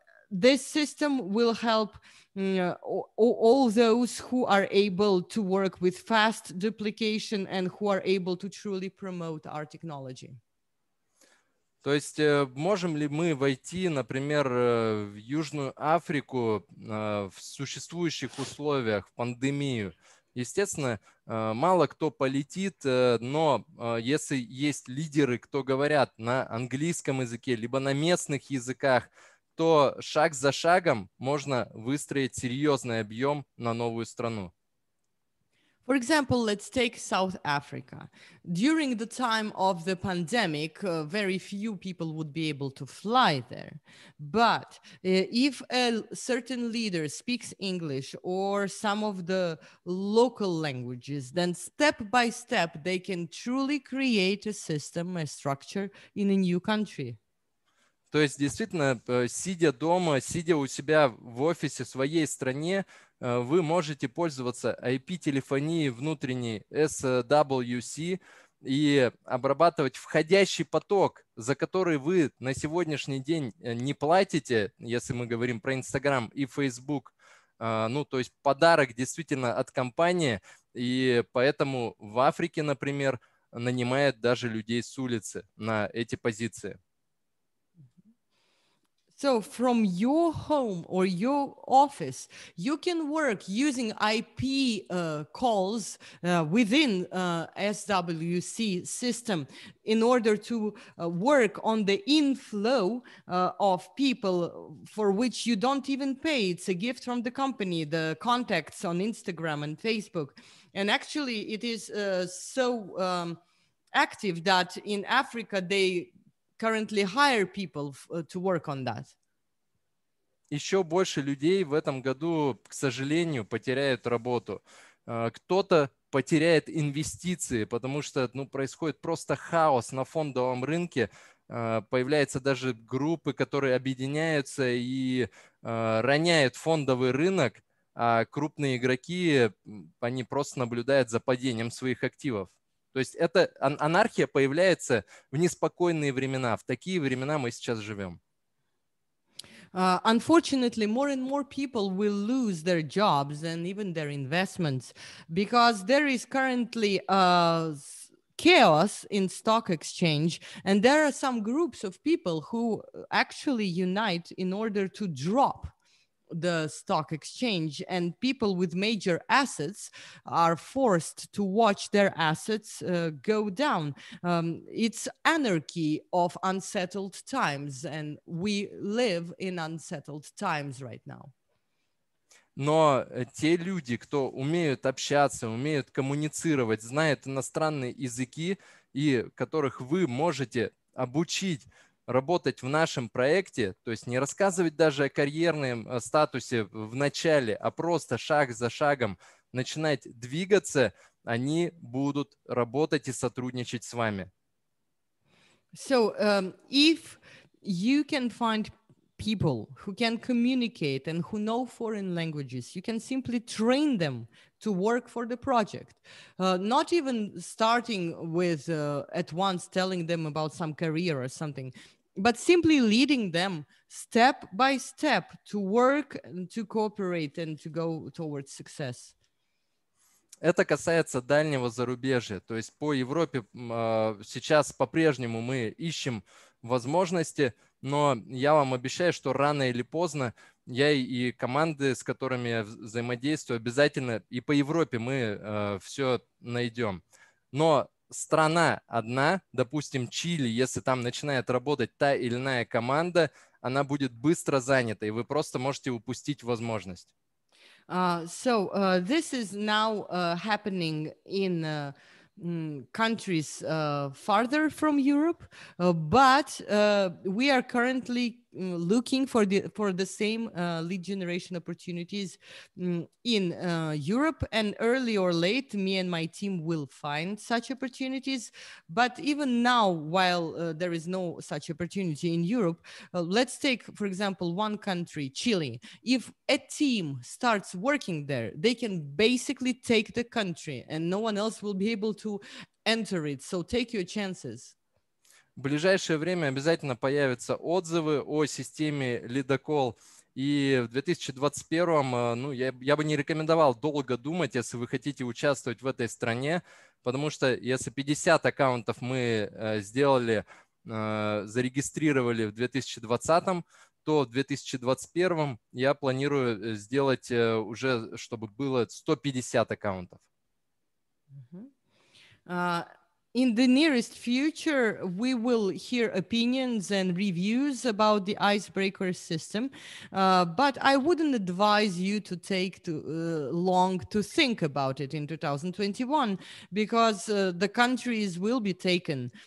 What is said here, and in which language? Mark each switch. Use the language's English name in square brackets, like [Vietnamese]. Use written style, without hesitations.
[English] This system will help all those who are able to work with fast duplication and who are able to truly promote our technology. [Russian] То есть можем ли мы войти, например, в Южную Африку в существующих условиях, в пандемию? Естественно, мало кто полетит, но если есть лидеры, кто говорят на английском языке, либо на местных языках, то шаг за шагом можно выстроить серьезный объем на новую страну. [English] For example, let's take South Africa. During the time of the pandemic, very few people would be able to fly there. But if a certain leader speaks English or some of the local languages, then step by step they can truly create a system, a structure in a new country. [Russian] То есть, действительно, сидя дома, сидя у себя в офисе в своей стране, вы можете пользоваться IP-телефонией внутренней SWC и обрабатывать входящий поток, за который вы на сегодняшний день не платите, если мы говорим про Instagram и Facebook. Ну, то есть подарок действительно от компании, и поэтому в Африке, например, нанимают даже людей с улицы на эти позиции. [English] So from your home or your office, you can work using IP calls within SWC system in order to work on the inflow of people for which you don't even pay. It's a gift from the company, the contacts on Instagram and Facebook. And actually it is so active that in Africa they currently hire people to work on that. [Russian] Еще больше людей в этом году, к сожалению, потеряют работу. Кто-то потеряет инвестиции, потому что, ну, происходит просто хаос на фондовом рынке. Появляются даже группы, которые объединяются и роняют фондовый рынок, а крупные игроки, они просто наблюдают за падением своих активов. То есть эта анархия появляется в неспокойные времена. В такие времена мы сейчас живем. [English] Unfortunately, more and more people will lose their jobs and even their investments because there is currently chaos in stock exchange, and there are some groups of people who actually unite in order to drop the stock exchange, and people with major assets are forced to watch their assets go down. It's anarchy of unsettled times, and we live in unsettled times right now. [Russian] Но те люди, кто умеют общаться, умеют коммуницировать, знают иностранные языки, и которых вы можете обучить работать в нашем проекте, то есть не рассказывать даже о карьерном статусе в начале, а просто шаг за шагом начинать двигаться, они будут работать и сотрудничать с вами. [English] So, if you can find people who can communicate and who know foreign languages, you can simply train them to work for the project. Not even starting with at once telling them about some career or something, but simply leading them step by step to work, to cooperate, and to go towards success. [Russian] Это касается дальнего зарубежья. То есть по Европе сейчас по-прежнему мы ищем возможности, но я вам обещаю, что рано или поздно я и команды, с которыми я взаимодействую, обязательно и по Европе мы все найдем. Но страна одна, допустим, Чили, если там начинает работать та или иная команда, она будет быстро занята, и вы просто можете упустить возможность. [English] So this is now happening in countries farther from Europe, but we are currently looking for the same lead generation opportunities in Europe, and early or late, me and my team will find such opportunities. But even now, while there is no such opportunity in Europe, let's take, for example, one country, Chile. If a team starts working there, they can basically take the country, and no one else will be able to enter it. So take your chances. [Russian] В ближайшее время обязательно появятся отзывы о системе «Лидокол». И в 2021, ну, я бы не рекомендовал долго думать, если вы хотите участвовать в этой стране, потому что если 50 аккаунтов мы сделали, зарегистрировали в 2020, то в 2021 я планирую сделать уже, чтобы было 150 аккаунтов. [English] In the nearest future, we will hear opinions and reviews about the icebreaker system, but I wouldn't advise you to take too long to think about it in 2021, because the countries will be taken.